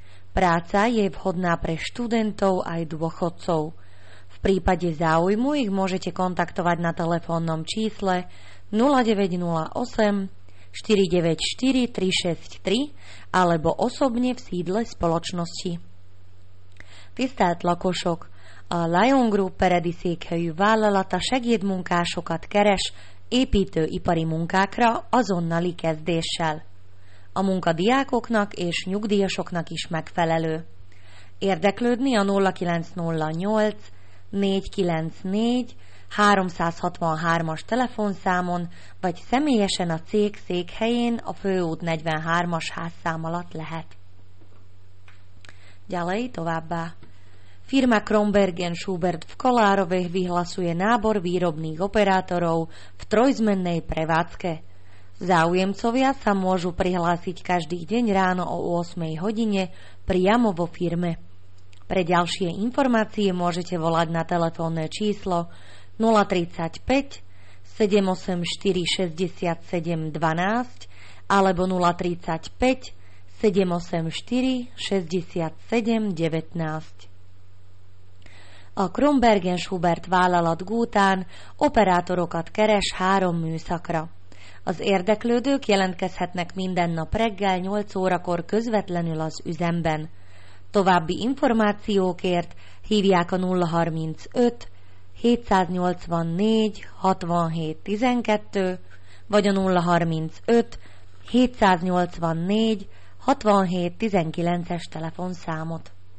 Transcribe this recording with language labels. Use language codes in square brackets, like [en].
[sk] Práca je vhodná pre študentov aj dôchodcov. V prípade záujmu ich môžete kontaktovať na telefónnom čísle 0908 494 363 alebo osobne v sídle spoločnosti. [hu] Tisztelt lakosok! A Lion Group peredisékhelyű vállalata segédmunkásokat keres építőipari munkákra azonnali kezdéssel. A munka diákoknak és nyugdíjasoknak is megfelelő. Érdeklődni a 0908 494 363-as telefonszámon, vagy személyesen a cég székhelyén a főút 43-as házszám alatt lehet. [sk] Ďalej továbbá. Firma Krombergen Schubert v Kolárove vyhlasuje nábor výrobných operátorov v trojzmennej prevádzke. Záujemcovia sa môžu prihlásiť každý deň ráno o 8 hodine priamo vo firme. Pre ďalšie informácie môžete volať na telefónne číslo 035 784 67 12 alebo 035 784 67 19. [hu] A Krombergen Schubert vállalat Gútán operátorokat keres három műszakra. Az érdeklődők jelentkezhetnek minden nap reggel 8 órakor közvetlenül az üzemben. További információkért hívják a 035 784 67 12 vagy a 035 784 67 19-es telefonszámot.